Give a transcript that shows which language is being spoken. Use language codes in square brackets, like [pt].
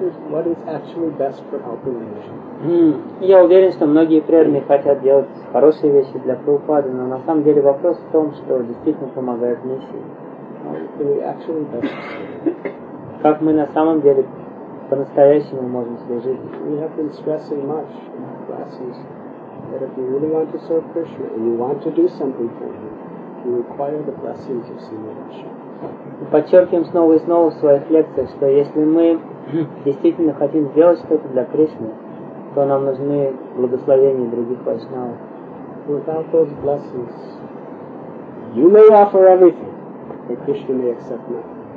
[en] What is actually best for helping the nation? [ru] Я уверен, что многие преданные хотят делать хорошие вещи для Прабхупады, но на самом деле вопрос в том, что действительно помогает миссии. Как мы на самом деле по-настоящему можем служить? [en] We have been stressing much in our classes that if you really want to serve Krishna and you want to do something for him, you require the blessings of Sinyasa. [ru] Подчеркиваем снова и снова в своих лекциях, что если мы действительно хотим сделать что-то для Кришны, то нам нужны благословения других вайшнавов. [en] without those blessings, you may offer everything, but Krishna may accept nothing.